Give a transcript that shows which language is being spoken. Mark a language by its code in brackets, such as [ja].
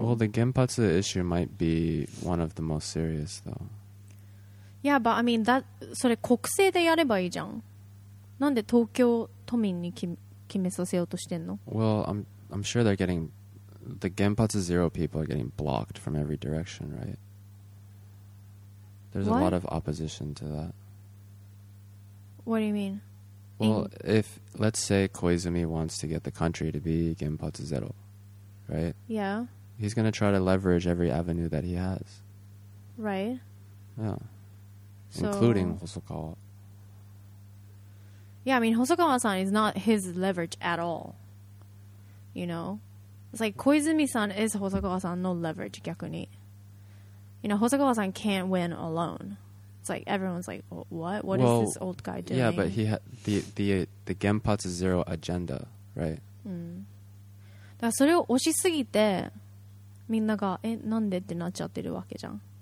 [en] well, the Genpatsu issue might be one of the most serious, though. Yeah, but I mean that. [ja] それ国政でやればいいじゃん。なんで東京都民に決めさせようとしてんの？ [en] Well, I'm sure they're getting the Genpatsu Zero people are getting blocked from every direction, right? There's a lot of opposition to that. What do you mean? Well, if let's say Koizumi wants to get the country to be Genpatsu Zero. Right? Yeah. He's going to try to leverage every avenue that he has. Right? Yeah. So, including Hosokawa. Yeah, I mean, Hosokawa-san is not his leverage at all. You know? It's like Koizumi-san is Hosokawa-san no leverage, [ja] 逆に. [en] You know, Hosokawa-san can't win alone. It's like everyone's like, what? What well, is this old guy doing? Yeah, but he had the Genpatsu Zero agenda, right? Mm. [ja] だからそれを押しすぎてみんながなんでってなっちゃってるわけじゃん、